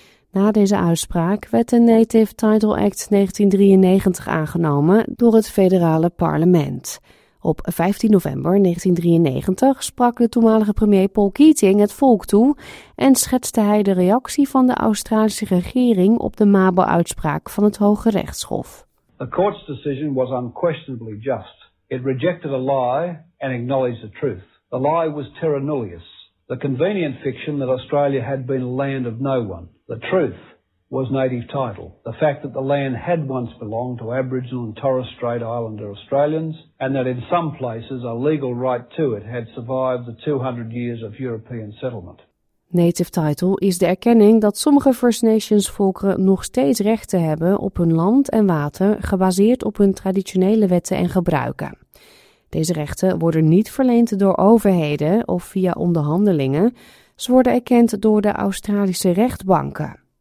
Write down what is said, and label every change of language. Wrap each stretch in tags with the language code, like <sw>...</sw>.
<nl>Na deze uitspraak werd de Native Title Act 1993 aangenomen door het federale parlement. Op 15 november 1993 sprak de toenmalige premier Paul Keating het volk toe en schetste hij de reactie van de Australische regering op de Mabo-uitspraak van het Hoge Rechtshof.</nl> <en>The court's decision was unquestionably just. It rejected a lie and acknowledged the truth. The lie was terra nullius, the convenient fiction that Australia had been a land of no one. The truth was native title, the fact that the land had once belonged to Aboriginal and Torres Strait Islander Australians, and that in some places a legal right to it had survived the 200 years of European settlement.</en> <nl>Native title is de erkenning dat sommige First Nations volkeren nog steeds rechten hebben op hun land en water, gebaseerd op hun traditionele wetten en gebruiken. Deze rechten worden niet verleend door overheden of via onderhandelingen, ze worden erkend door de Australische rechtbanken.</nl>